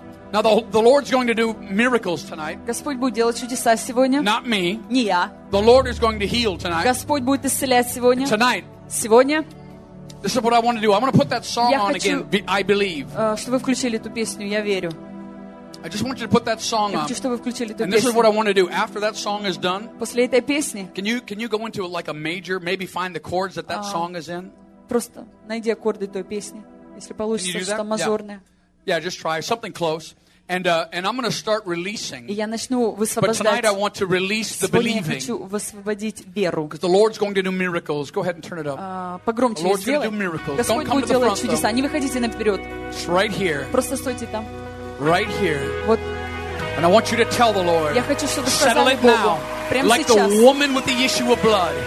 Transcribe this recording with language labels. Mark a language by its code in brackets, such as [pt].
[en] Now the Lord's going to do miracles tonight. [ru] Господь будет делать чудеса сегодня. [en] Not me. [ru] Не я. [en] The Lord is going to heal tonight. [ru] Господь будет исцелять сегодня. [en] Tonight. [ru] Сегодня. [en] This is what I want to do. I want to put that song on again. I believe. [ru] Чтобы вы включили эту песню, я верю. [en] I just want you to put that song [ru] up. Я хочу, чтобы вы включили эту песню. [en] And this is what I want to do. After that song is done. [ru] После этой песни. [en] Can you go into like a major? Maybe find the chords that song is in. [ru] Просто найди аккорды той песни, если получится что-то мажорное. [en] Yeah, just try something close, and I'm going to start releasing. [ru] И я начну высвобождать. [en] But tonight I want to release the believing. [ru] Сегодня я хочу высвободить веру. [en] Because the Lord's going to do miracles. Go ahead and turn it up. [ru] Погромче сделай. [en] going to do miracles. [ru] Господь будет делать чудеса. Не выходите наперед. [en] It's right here. [ru] Просто стойте там. [en] Right here. [ru] Вот. [en] And I want you to tell the Lord. [ru] Я хочу, чтобы сказали Богу. [en] Settle it now. [ru] Прямо сейчас. [en] Like the woman with the issue of blood.